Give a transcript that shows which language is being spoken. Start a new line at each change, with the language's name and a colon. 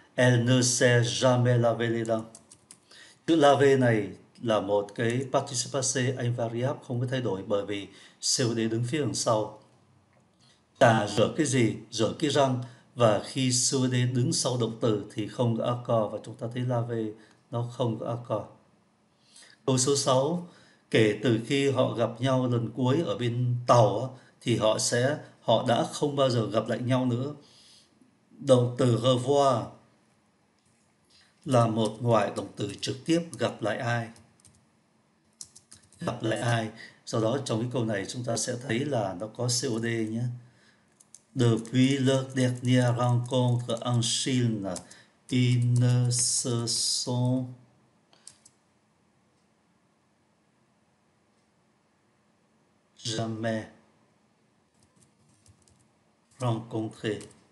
French: Elle ne s'est jamais lavé les dents.
Vietnamese: Chữ lavé này là một cái participe passé invariable không có thay đổi bởi vì COD đứng phía đằng sau. Chà rửa cái gì? Rửa cái răng. Và khi COD đứng sau động từ thì không có accord và chúng ta thấy lavé nó không có accord. Câu số 6. Kể từ khi họ gặp nhau lần cuối ở bên tàu thì họ đã không bao giờ gặp lại nhau nữa. Động từ revoir là một ngoại động từ trực tiếp gặp lại ai. Gặp lại ai. Sau đó trong cái câu này chúng ta sẽ thấy là nó có COD nhé.
French: Depuis leur dernière rencontre en Chine, ils ne se sont jamais rencontrés.